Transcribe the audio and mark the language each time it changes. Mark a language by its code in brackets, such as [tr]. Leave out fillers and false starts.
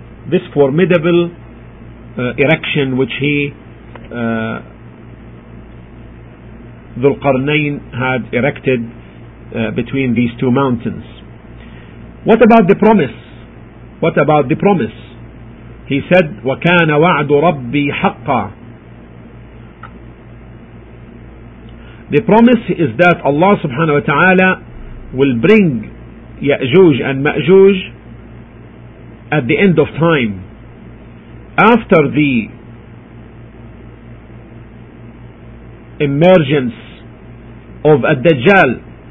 [en] This formidable erection which he Dhulqarnain had erected between these two mountains. What about the promise? What about the promise? He said, [ar] وَكَانَ وَعْدُ رَبِّي حَقًّا. [en] The promise is that Allah subhanahu wa ta'ala will bring Ya'juj and Ma'juj at the end of time, after the emergence of Ad-Dajjal,